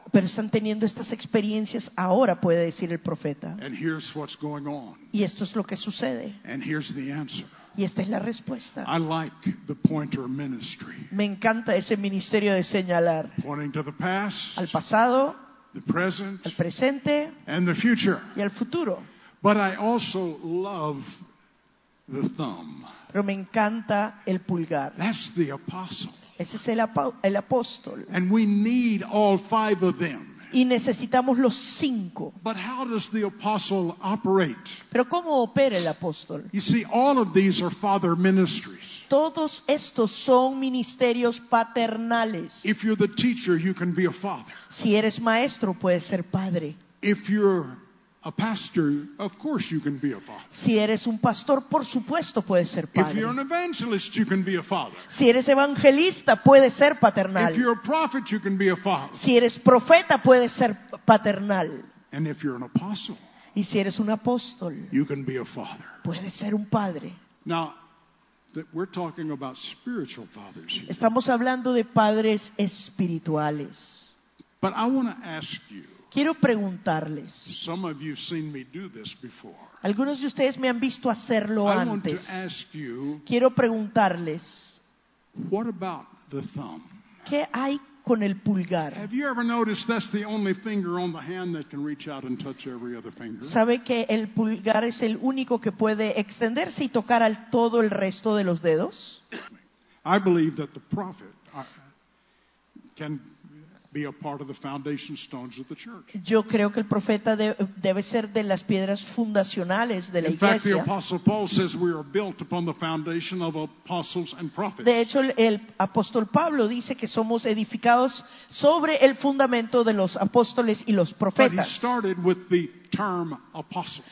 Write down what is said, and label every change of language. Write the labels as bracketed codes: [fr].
[es] Pero están teniendo estas experiencias ahora, puede decir el profeta. [en] And here's what's going on. [es] Y esto es lo que sucede. [en] And here's the answer. [es] Y esta es la respuesta. [en] I like the pointer ministry. [es] Me encanta ese ministerio de señalar. [en] Pointing to the past. [es] Al pasado. [en] The present. [es] Al presente. [en] And the future. [es] Y al futuro. [en] But I also love the thumb. [es] Pero me encanta el pulgar. [en] That's the apostle. [es] Ese es el apóstol. [en] And we need all five of them. [es] Y necesitamos los cinco. [en] But how does the apostle operate? [es] Pero ¿cómo opera el apóstol? [en] You see, all of these are father ministries. [es] Todos estos son ministerios paternales. [en] If you're the teacher, you can be a father. [es] Si eres maestro, puedes ser padre. [en] If you're a pastor, of course you can be a father. [es] Si eres un pastor, por supuesto puedes ser padre. [en] If you're an evangelist, you can be a father. [es] Si eres evangelista, puedes ser paternal. [en] If you're a prophet, you can be a father. [es] Si eres profeta, puedes ser paternal. [en] And if you're an apostle, [es] y si eres un apóstol, [en] you can be a father. [es] Puedes ser un padre. [en] Now, we're talking about spiritual fathers here. [es] Estamos hablando de padres espirituales. [en] But I want to ask you, [es] quiero preguntarles. [en] Some of you've seen me do this before. [es] Algunos de ustedes me han visto hacerlo [en] I [es] antes. [en] Want to ask you, [es] quiero preguntarles. [en] What about the thumb? [es] ¿Qué hay con el pulgar. [en] Have you ever noticed that's the only finger on the hand that can reach out and touch every other finger? [es] ¿Sabe que el pulgar es el único que puede extenderse y tocar al todo el resto de los dedos? [en] I believe that the prophet can be a part of the foundation stones of the church. [es] Yo creo que el profeta debe ser de las piedras fundacionales de la iglesia. [en] In fact, the apostle Paul says we are built upon the foundation of apostles and prophets. [es] De hecho, el apóstol Pablo dice que somos edificados sobre el fundamento de los apóstoles y los profetas. [en] But he started with the term apostle.